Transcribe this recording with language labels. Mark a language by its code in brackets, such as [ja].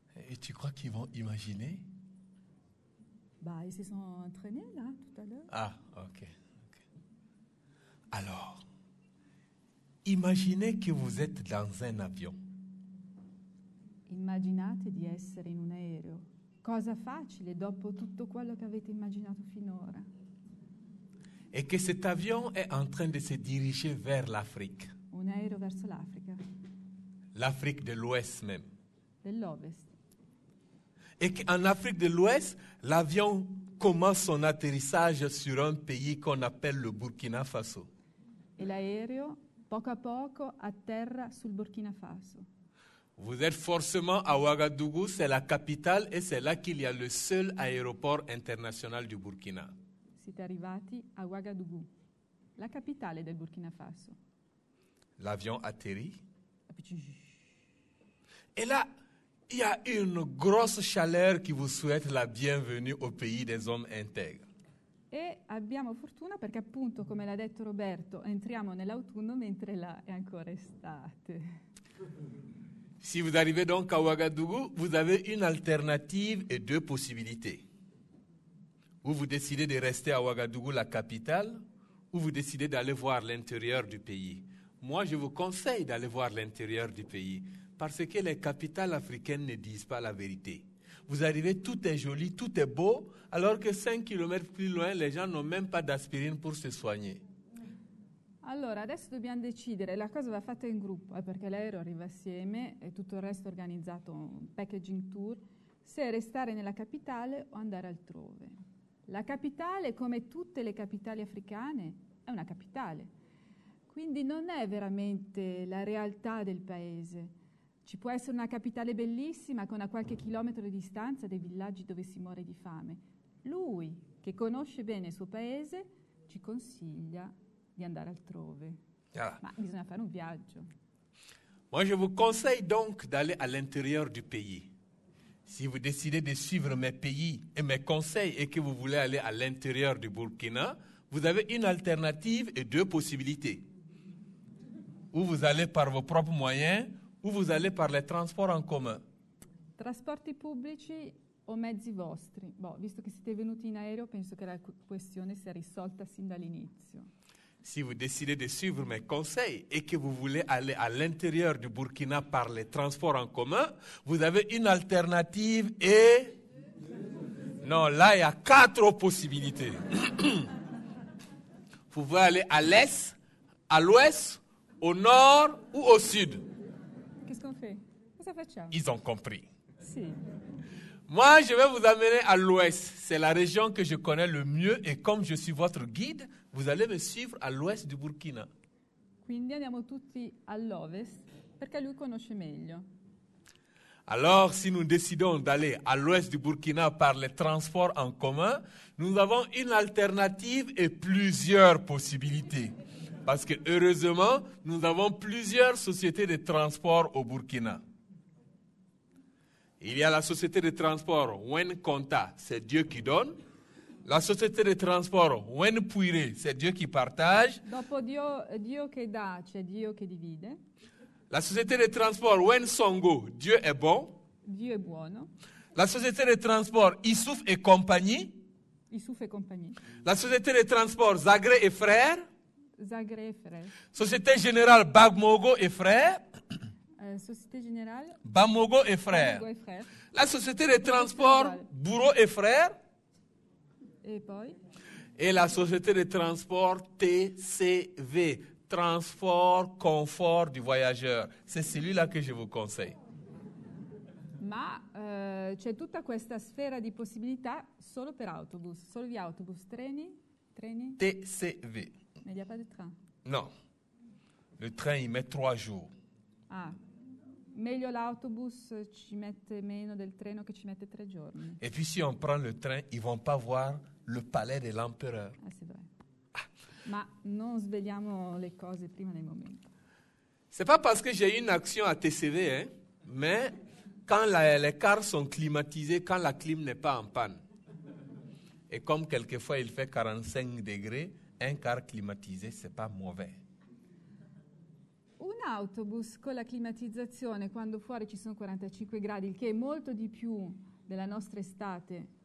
[fr] Et tu crois qu'ils vont imaginer? Bah, ils se sont entraînés là tout à l'heure. Ah, ok. Alors, imaginez que vous êtes dans un avion. [it] Immaginate di essere in un aereo. Cosa facile dopo tutto quello che avete immaginato finora. [fr] Et que cet avion est en train de se diriger vers l'Afrique. [it] Un aereo verso l'Africa. [fr] L'Afrique de l'Ouest même. [it] Dell'Ovest. [fr] Et qu'en Afrique de l'Ouest, l'avion commence son atterrissage sur un pays qu'on appelle le Burkina Faso. [it] E l'aereo poco a poco atterra sul Burkina Faso. [fr] Vous êtes forcément à Ouagadougou, c'est la capitale, et c'est là qu'il y a le seul aéroport international du Burkina. [it] Siete arrivati a Ouagadougou, la capitale del Burkina Faso. [fr] L'avion atterrit. Appuyez. Et là, il y a une grosse chaleur qui vous souhaite la bienvenue au pays des hommes intègres. [it] E abbiamo fortuna perché appunto, come l'ha detto Roberto, entriamo nell'autunno mentre là è ancora estate. [fr] Si vous arrivez donc à Ouagadougou, vous avez une alternative et deux possibilités. Ou vous décidez de rester à Ouagadougou, la capitale, ou vous décidez d'aller voir l'intérieur du pays. Moi, je vous conseille d'aller voir l'intérieur du pays, parce que les capitales africaines ne disent pas la vérité. Vous arrivez, tout est joli, tout est beau, alors que 5 km plus loin, les gens n'ont même pas d'aspirine pour se soigner. [it] Allora, adesso dobbiamo decidere, la cosa va fatta in gruppo, perché l'aereo arriva assieme e tutto il resto è organizzato, un packaging tour, se restare nella capitale o andare altrove. La capitale, come tutte le capitali africane, è una capitale, quindi non è veramente la realtà del paese. Ci può essere una capitale bellissima con a qualche chilometro di distanza dei villaggi dove si muore di fame. Lui, che conosce bene il suo paese, ci consiglia di andare altrove, [fr] Voilà. [it] ma bisogna fare un viaggio. [fr] Moi, je vous conseille donc d'aller à l'intérieur du pays. Si vous décidez de suivre mes pays et mes conseils et que vous voulez aller à l'intérieur du Burkina, vous avez une alternative et deux possibilités. Ou vous allez par vos propres moyens, ou vous allez par les transports en commun. [it] Trasporti pubblici o mezzi vostri? Boh, visto che siete venuti in aereo, penso che la questione sia risolta sin dall'inizio. [fr] Si vous décidez de suivre mes conseils et que vous voulez aller à l'intérieur du Burkina par les transports en commun, vous avez une alternative et... Non, là, il y a quatre possibilités. Vous pouvez aller à l'est, à l'ouest, au nord ou au sud. Qu'est-ce qu'on fait? [it] Cosa facciamo? [fr] Ils ont compris. [it] Sì. [fr] Moi, je vais vous amener à l'ouest. C'est la région que je connais le mieux et comme je suis votre guide, vous allez me suivre à l'ouest du Burkina. [it] Quindi andiamo tutti all'ovest perché lui conosce meglio. [fr] Alors, si nous décidons d'aller à l'ouest du Burkina par les transports en commun, nous avons une alternative et plusieurs possibilités. Parce que, heureusement, nous avons plusieurs sociétés de transport au Burkina. Il y a la société de transport Wen-Konta, c'est Dieu qui donne. La société de transport Wen-Puire, c'est Dieu qui partage. [it] Dopo Dio che dà, c'è Dio che divide. [fr] La société de transport Wen-Songo, Dieu est bon. [it] Dio è buono. [fr] La société de transport Issouf et compagnie. [it] Issouf e compagnie. [fr] La société de transport Zagré et frères. Zagré frère. Société générale Bagmogo et frères. Société générale. Bamogo et Bamogo frères. [it] e frère. [fr] La société de Société transport générale. Bourreau et frères. [it] E poi? [fr] et la société de transport TCV, Transport Confort du Voyageur. C'est celui-là que je vous conseille. [it] Ma c'è tutta questa sfera di possibilità solo per autobus, solo via autobus, treni? [fr] TCV. Mais il n'y a pas de train. Non. Le train, il met 3 jours. [it] Ah, meglio l'autobus ci mette meno del treno che ci mette 3 giorni. [fr] Et puis si on prend le train, ils vont pas voir le palais de l'empereur. Ah, c'est vrai. [it] Ma non svegliamo le cose prima del momento. [fr] C'est pas parce que j'ai une action à TCV, hein, mais quand les cars sont climatisés, quand la clim n'est pas en panne. Et comme quelquefois il fait 45 degrés, un car climatisé, c'est pas mauvais. [it] Un autobus con la climatizzazione quando fuori ci sono 45 gradi, il che è molto di più della nostra estate.